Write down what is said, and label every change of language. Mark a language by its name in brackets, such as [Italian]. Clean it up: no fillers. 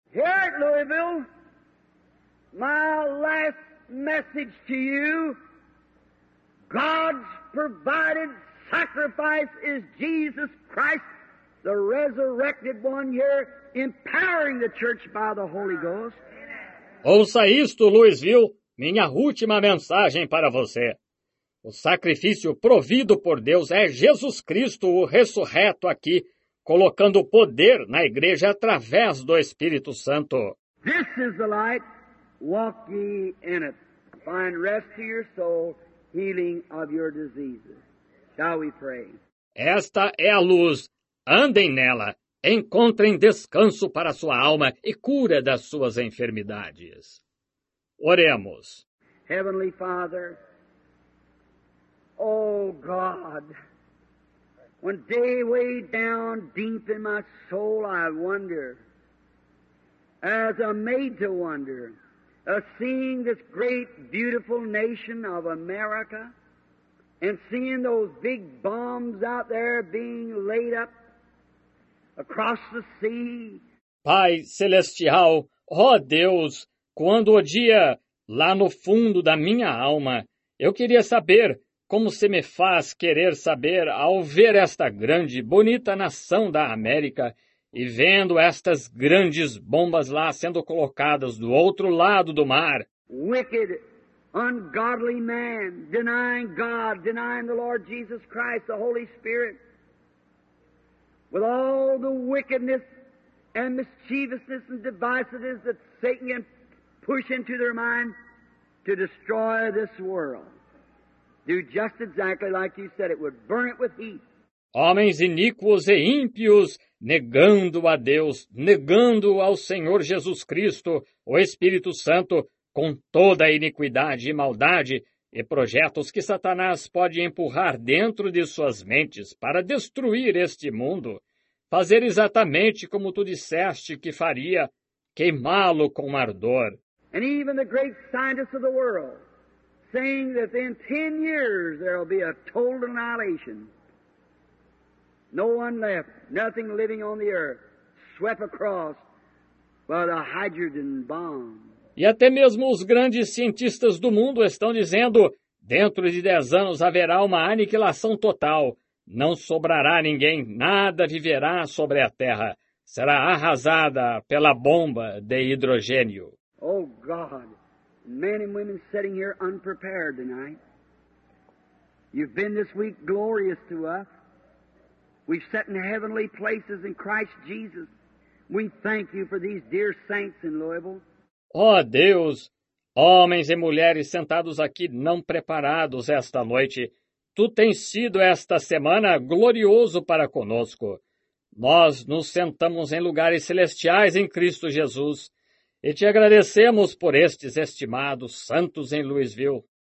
[English] Here at Louisville, my last message to you, God's provided sacrifice is Jesus Christ, the resurrected one here, empowering the church by the Holy Ghost. [Portuguese] Ouça isto, Louisville, minha última mensagem para você. O sacrifício provido por Deus é Jesus Cristo, o ressurreto aqui, colocando poder na igreja através do Espírito Santo. [English] This is the light, walk ye in it. Find rest to your soul, healing of your diseases. Shall we pray? [Portuguese] Esta é a luz, andem nela. Encontrem descanso para sua alma e cura das suas enfermidades. Oremos. [English] Heavenly Father, oh God, when day way down deep in my soul I wonder, as I'm made to wonder, of seeing this great beautiful nation of America and seeing those big bombs out there being laid up across the sea. [Portuguese] Pai Celestial, ó Deus, quando o dia, lá no fundo da minha alma, eu queria saber como se me faz querer saber ao ver esta grande, bonita nação da América e vendo estas grandes bombas lá sendo colocadas do outro lado do mar. [English] Wicked, ungodly man, denying God, denying the Lord Jesus Christ, the Holy Spirit. With all the wickedness and mischievousness and devices that Satan can push into their mind to destroy this world. Do just exactly like you said, it would burn it with heat. [Portuguese] Homens iníquos e ímpios, negando a Deus, negando ao Senhor Jesus Cristo, o Espírito Santo, com toda a iniquidade e maldade, e projetos que Satanás pode empurrar dentro de suas mentes para destruir este mundo, fazer exatamente como tu disseste que faria, queimá-lo com ardor. [English] And even the great scientists of the world saying that in 10 years there will be a total annihilation. No one left, nothing living on the earth, swept across by the hydrogen bomb. [Portuguese] E até mesmo os grandes cientistas do mundo estão dizendo, dentro de 10 anos haverá uma aniquilação total. Não sobrará ninguém, nada viverá sobre a Terra. Será arrasada pela bomba de hidrogênio. [English] Oh, God, men and women sitting here unprepared tonight. You've been this week glorious to us. We've sat in heavenly places in Christ Jesus. We thank you for these dear saints in Louisville. [Portuguese] Oh, Deus, homens e mulheres sentados aqui não preparados esta noite, Tu tens sido esta semana glorioso para conosco. Nós nos sentamos em lugares celestiais em Cristo Jesus e te agradecemos por estes estimados santos em Louisville.